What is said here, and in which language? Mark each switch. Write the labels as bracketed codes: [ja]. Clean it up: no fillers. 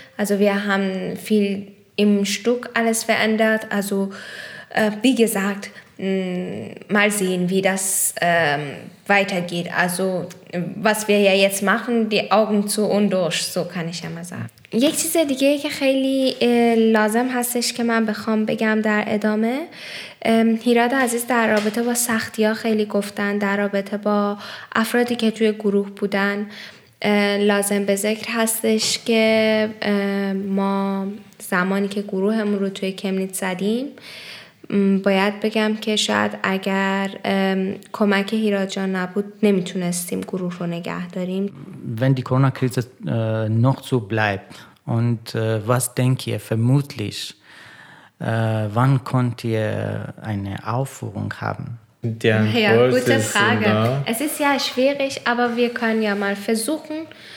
[de] Also wir haben viel im Stück alles verändert. Also wie gesagt, mal sehen, wie das weitergeht. Also was wir ja jetzt machen, die Augen zu und durch, so kann ich ja mal sagen. [fa] یک چیز دیگه که خیلی لازم هستش که من بخوام بگم در ادامه، هیراد عزیز در رابطه با سختی ها خیلی گفتن، در رابطه با افرادی که توی گروه بودن لازم به ذکر هستش که ما زمانی که گروهمون رو توی کمنیت زدیم، باید بگم که شاید اگر کمک هیراد جان نبود نمیتونستیم گروه رو نگه داریم. [de] Wenn die Corona Krise noch so bleibt und was denkt ihr vermutlich wann könnt ihr eine Aufführung haben? Die Antwort ja, gute Frage. Es ist ja schwierig, aber wir können ja mal versuchen.